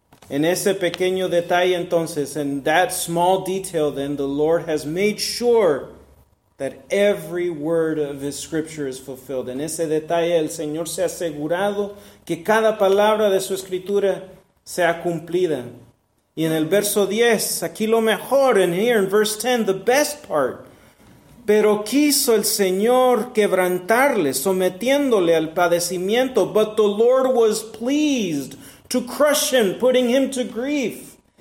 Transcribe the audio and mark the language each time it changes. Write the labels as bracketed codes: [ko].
[es] En ese pequeño detalle entonces, [en] in that small detail then, the Lord has made sure that every word of His Scripture is fulfilled. [es] En ese detalle el Señor se ha asegurado que cada palabra de su Escritura sea cumplida. Y en el verso 10, aquí lo mejor, [en] and here in verse 10, the best part. [es] Pero quiso el Señor quebrantarle, sometiéndole al padecimiento. [en] But the Lord was pleased to crush him, putting him to grief.